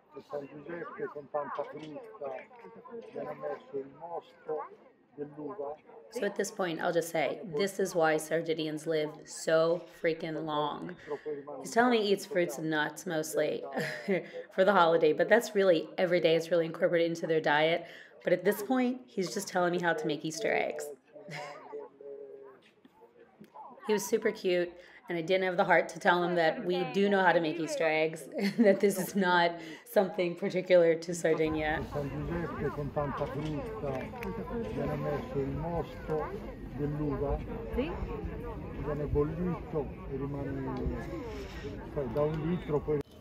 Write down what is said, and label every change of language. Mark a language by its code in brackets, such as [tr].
[it] San Giuseppe con tanta frutta, viene messo il mosto dell'uva. [en] So at this point I'll just say, this is why Sardinians live so freaking long. He's telling me he eats fruits and nuts mostly for the holiday, but that's really every day, it's really incorporated into their diet. But at this point, he's just telling me how to make Easter eggs. He was super cute. And I didn't have the heart to tell him that we do know how to make Easter eggs, and that this is not something particular to Sardinia. [it] San Giuseppe con tanta frutta, viene messo il mosto dell'uva, viene bollito e rimane da un litro.